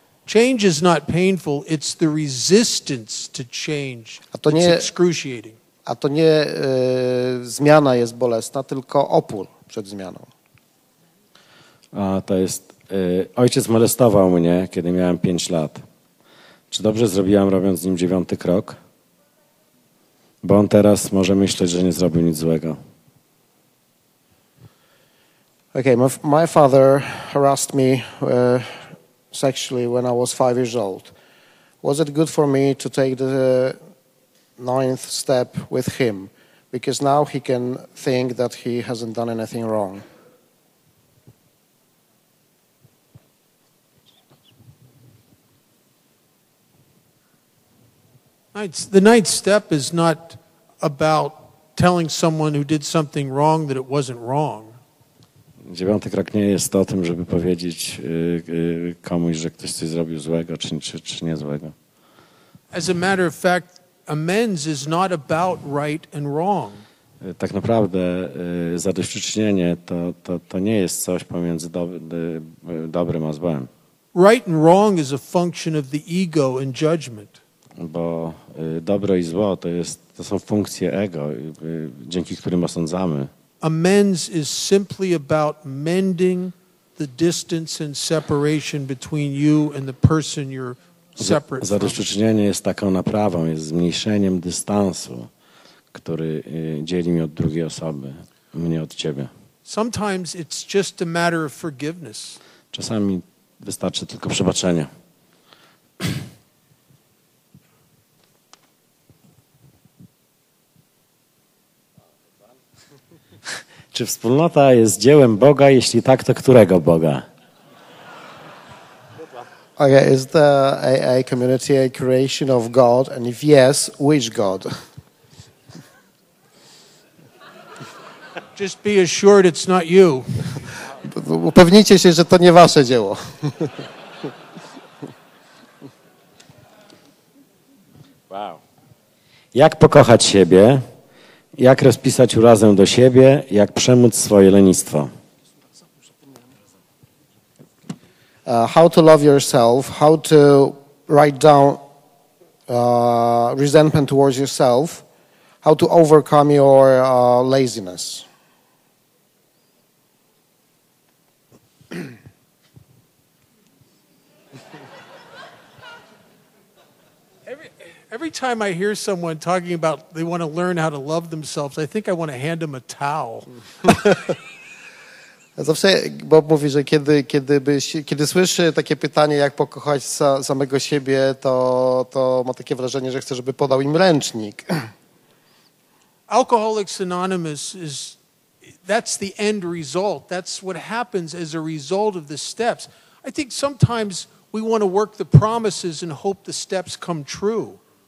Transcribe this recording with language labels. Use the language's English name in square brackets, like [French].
[English] Change is not painful, it's the resistance to change. It's excruciating. [Polish] A to nie zmiana jest bolesna, tylko opór przed zmianą. A to jest ojciec molestował mnie, kiedy miałem 5 lat. Czy dobrze zrobiłam, robiąc z nim 9. krok? Bo on teraz może myśleć, że nie zrobił nic złego. [English] Okay, my father harassed me sexually when I was 5 years old. Was it good for me to take the 9th step with him? Because now he can think that he hasn't done anything wrong. The 9th step is not about telling someone who did something wrong that it wasn't wrong. [Polish] 9. krok nie jest o tym, żeby powiedzieć komuś, że ktoś coś zrobił złego czy nie złego. [English] As a matter of fact, amends is not about right and wrong. [Polish] Tak naprawdę zadośćuczynienie to nie jest coś pomiędzy dobrym a złem. [English] Right and wrong is a function of the ego and judgment. [Polish] Bo dobro i zło to są funkcje ego, dzięki którym osądzamy. [English] Amends is simply about mending the distance and separation between you and the person you're separate. [Polish] Zadośćuczynienie jest taką naprawą, jest zmniejszeniem dystansu, który dzieli mnie od drugiej osoby, mnie od ciebie. [English] Sometimes it's just a matter of forgiveness. [Polish] Czasami wystarczy tylko przebaczenie. Czy wspólnota jest dziełem Boga, jeśli tak, to którego Boga? [English] Okay, is the AA community a creation of God, and if yes, which God? Just be assured it's not you. [Polish] Upewnijcie się, że to nie wasze dzieło. Wow. Jak pokochać siebie? Jak rozpisać urazę do siebie, jak przemóc swoje lenistwo? [English] How to love yourself, how to write down resentment towards yourself, how to overcome your laziness. Every, Every time I hear someone talking about they want to learn how to love themselves, I think I want to hand them a towel. [Polish] Zawsze Bob mówi, że kiedy słyszy takie pytanie, jak pokochać samego siebie, to ma takie wrażenie, że chce, żeby podał im ręcznik. [English] Alcoholics Anonymous is, that's the end result. That's what happens as a result of the steps. I think sometimes we want to work the promises and hope the steps come true.